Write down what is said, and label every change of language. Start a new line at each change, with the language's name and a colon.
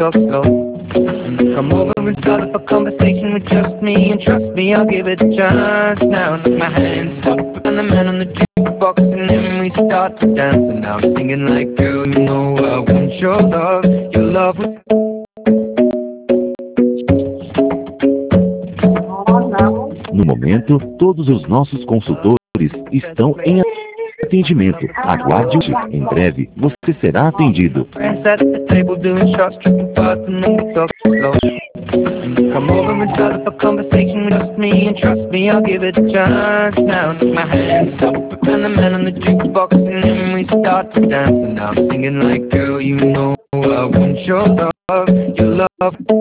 English: Come over and start up a conversation with just me, and trust me, I'll give it a chance. Now take my hands up and the man on the jukebox, and then we start to dance. And I'm singing like, girl, you know I want your love was.
Portuguese: No momento, todos os nossos consultores estão em atendimento. Aguarde, em breve, você será atendido.
English: Come over and start up a conversation with just me, and trust me, I'll give it a chance. Now take my hands up and the man on the jukebox, and then we start to dance. And I'm singing like, girl, you know I want your love.